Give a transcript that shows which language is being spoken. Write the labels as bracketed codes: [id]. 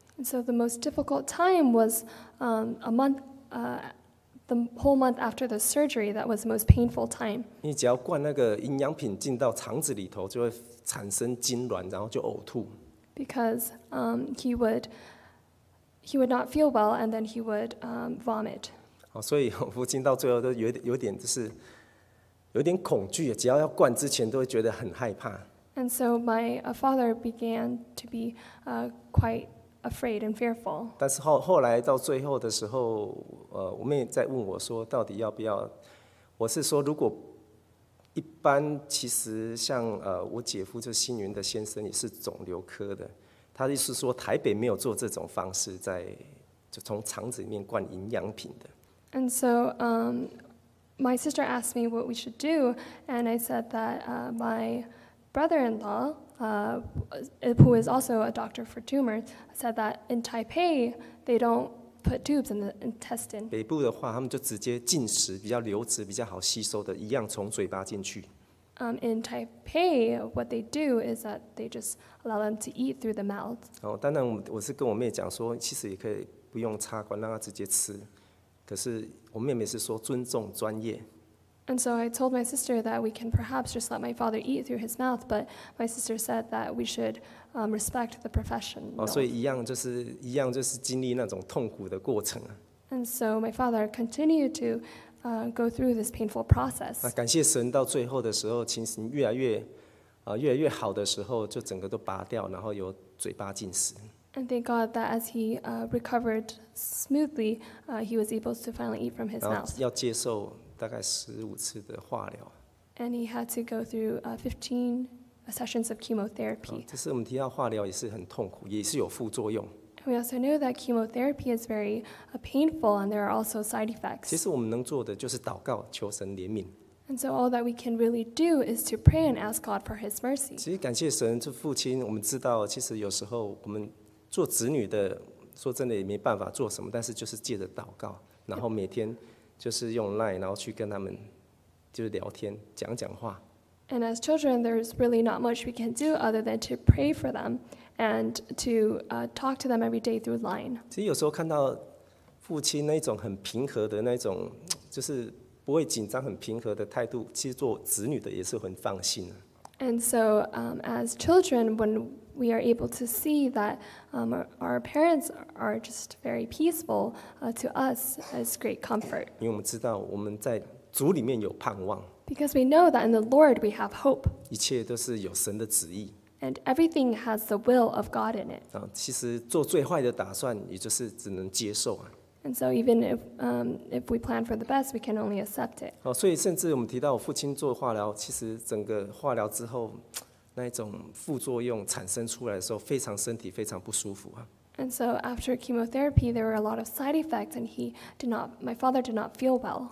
[en] And so the most difficult time was a month, the whole month after the surgery. That was the most painful time. [zh] 你只要灌那个营养品进到肠子里头，就会产生痉挛，然后就呕吐。 [en] Because he would not feel well, and then he would vomit. [zh] 所以我父亲到最后都有点就是有点恐惧，只要要灌之前都会觉得很害怕。 [en] And so my father began to be quite afraid and fearful. [zh] 但是后来到最后的时候，我妹在问我说，到底要不要？我是说如果。一般其实像我姐夫就是新云的先生也是肿瘤科的，他的意思说台北没有做这种方式，在就从肠子里面灌营养品的。 [en] And so, my sister asked me what we should do, and I said that my brother-in-law, who is also a doctor for tumors, said that in Taipei they don't put tubes in the intestine. [zh] 北部的话，他们就直接进食，比较流质、比较好吸收的，一样从嘴巴进去。 [en] In Taipei, what they do is that they just allow them to eat through the mouth. [zh] 当然，我是跟我妹讲说，其实也可以不用插管，让她直接吃。可是我妹妹是说尊重专业。 [en] And so I told my sister that we can perhaps just let my father eat through his mouth, but my sister said that we should respect the profession. [zh] 所以一样就是经历那种痛苦的过程。 [en] And so my father continued to go through this painful process. [zh] 感谢神，到最后的时候，情形越来越好的时候，就整个都拔掉，然后有嘴巴进食。 [en] And thank God that as he recovered smoothly, he was able to finally eat from his mouth. [zh] 要接受大概15次的化疗。 [en] And he had to go through 15 sessions of chemotherapy. [zh] 这是我们提到化疗也是很痛苦，也是有副作用。 [en] We also know that chemotherapy is very painful, and there are also side effects. [zh] 其实我们能做的就是祷告，求神怜悯。 [en] And so all that we can really do is to pray and ask God for His mercy. [zh] 其实感谢神，这父亲，我们知道，其实有时候我们做子女的，说真的也没办法做什么，但是就是借着祷告，然后每天就是用 LINE， 然后去跟他们就是聊天，讲讲话。 [en] And as children, there's really not much we can do other than to pray for them and to talk to them every day through LINE. [zh] 其实有时候看到父亲那种很平和的那种，就是不会紧张、很平和的态度，其实做子女的也是很放心。 [en] And so, as children, when we are able to see that our parents are just very peaceful to us, it's great comfort. [zh] 因为我们知道我们在主里面有盼望。 [en] Because we know that in the Lord we have hope. [zh] 一切都是有神的旨意。 [en] And everything has the will of God in it. [zh] 其实做最坏的打算，也就是只能接受啊。 [en] And so even if we plan for the best, we can only accept it. [zh] 所以甚至我们提到我父亲做化疗，其实整个化疗之后，那种副作用产生出来的时候，非常身体非常不舒服啊。 [en] And so after chemotherapy, there were a lot of side effects, and my father did not feel well.